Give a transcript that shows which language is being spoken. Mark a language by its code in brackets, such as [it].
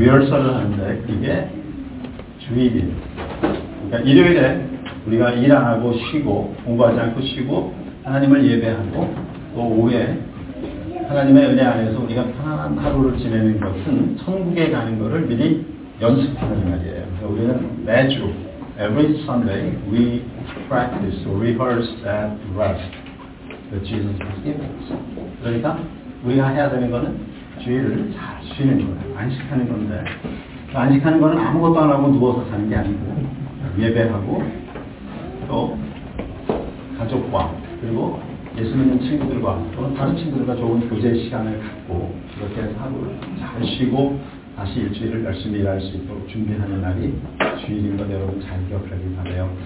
[ko] 리허설을 하는데 그게 주일이에요. 그러니까 일요일에 우리가 일 안 하고 쉬고 공부하지 않고 쉬고 하나님을 예배하고 또 오후에 하나님의 은혜 안에서 우리가 편안한 하루를 지내는 것은 천국에 가는 것을 미리 연습하는 말이에요. 그래서 우리는 매주 [en] every Sunday we practice or rehearse that rest that Jesus has given us. [ko] 그러니까 우리가 해야 되는 것은 주일을 잘 쉬는 거예요. 안식하는 건데 안식하는 것은 아무것도 안 하고 누워서 자는 게 아니고 예배하고 또 가족과 그리고 예수 믿는 친구들과 또는 다른 친구들과 좋은 교제 시간을 갖고 그렇게 하루를 잘 쉬고 다시 일주일을 열심히 일할 수 있도록 준비하는 날이 주일인 것 여러분 잘 기억하길 바라요.